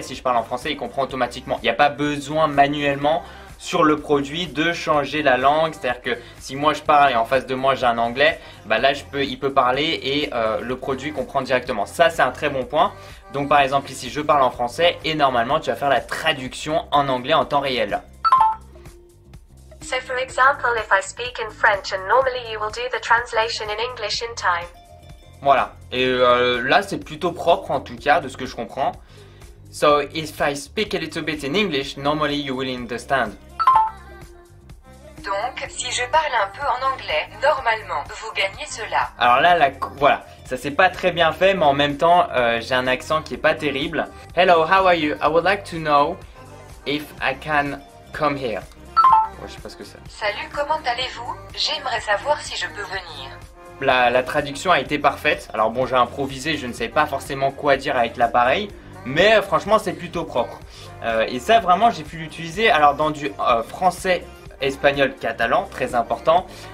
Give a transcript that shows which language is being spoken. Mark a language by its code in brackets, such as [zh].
[fr] Si je parle en français, il comprend automatiquement. Il n'y a pas besoin manuellement sur le produit de changer la langue. C'est-à-dire que si moi je parle et en face de moi j'ai un anglais, là il peut parler et le produit comprend directement. Ça, c'est un très bon point. Donc par exemple ici, je parle en français et normalement, tu vas faire la traduction en anglais en temps réel. [en] So for example, if I speak in French and normally you will do the translation in English in time. [fr] Voilà. Et là, c'est plutôt propre en tout cas de ce que je comprends. [en] So if I speak a little bit in English, normally you will understand. [fr] Donc, si je parle un peu en anglais, normalement, vous gagnez cela. Alors là, voilà, ça s'est pas très bien fait, mais en même temps, j'ai un accent qui est pas terrible. [en] Hello, how are you? I would like to know if I can come here. [fr] Ouais, je sais pas ce que c'est. Salut, comment allez-vous? J'aimerais savoir si je peux venir. La traduction a été parfaite. Alors bon, j'ai improvisé, je ne sais pas forcément quoi dire avec l'appareil. Mais franchement, c'est plutôt propre. Et ça, vraiment, j'ai pu l'utiliser alors dans du français, espagnol, catalan, très important.